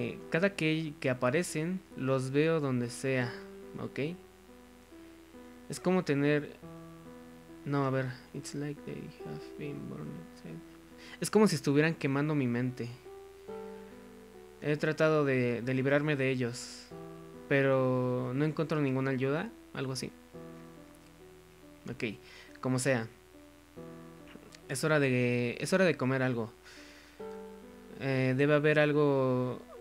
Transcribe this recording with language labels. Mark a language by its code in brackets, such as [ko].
[es] Cada que aparecen, los veo donde sea. Ok, es como tener. No, a ver. [en] It's like they have been born. [es] Es como si estuvieran quemando mi mente. He tratado de librarme de ellos, pero no encuentro ninguna ayuda. Algo así. Ok, como sea. Es hora de comer algo. Debe haber algo.